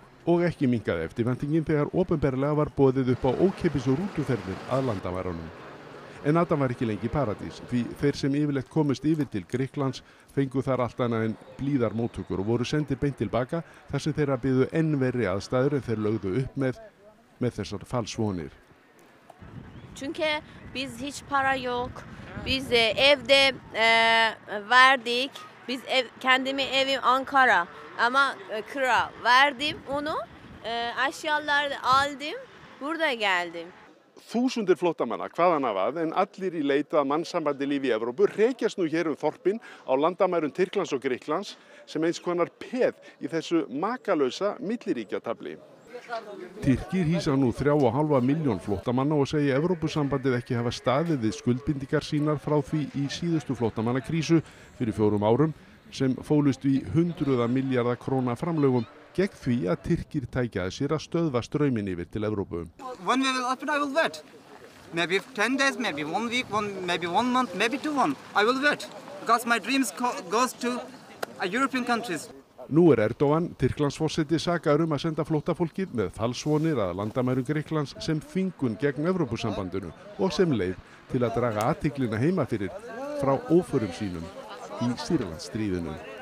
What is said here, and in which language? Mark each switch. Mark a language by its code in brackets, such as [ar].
[is] Og ekki minnkaði eftirvæntingin þegar opinberlega var boðið upp á ókeypis og rútuferðir að landamærunum. En Adam var ekki lengi paradís því þeir sem yfirleitt komist yfir til Grikklands fengu þar allt annað en blíðar móttökur og voru sendir beint til baka þar sem þeirra byðu enn verri aðstæður en þeir lögðu upp með þessar falsvonir. [tr] Çünkü biz hiç para yok, biz evde verdik, biz ev, kendimi evim Ankara ama kıra verdim onu, aşyaları aldım, burada geldim. [is] Þúsundir flóttamanna, hvaðan af að, en allir í leit að mannsambandi lífi í Evrópu hrekjast nú hér þorpin á landamærum Tyrklands og Grikklands sem eins konar peð í þessu makalausa milliríkjatafli. Tyrkir hýsa nú 3,5 milljón flóttamanna og segja Evrópusambandið ekki hafa staðið við skuldbindingar sínar frá því í síðustu flóttamannakrísu fyrir 4 árum sem fólust í 100 milljarða króna framlögum gegn því að Tyrkir tækja að sér að stöðva strauminn yfir til Evrópu. [en] When we will open, I will wait. Maybe 10 days, maybe 1 week, maybe 1 month, maybe 2 months. I will wait. Because my dreams goes to European countries. [is] Nú Erdogan, Tyrklandsforseti, sakaður að senda flóttafólkið með falsvonir að landamærum Grikklands sem þvingun gegn Evrópusambandinu og sem leið til að draga athyglina heima fyrir frá óförum sínum í Sýrlandsstríðinu.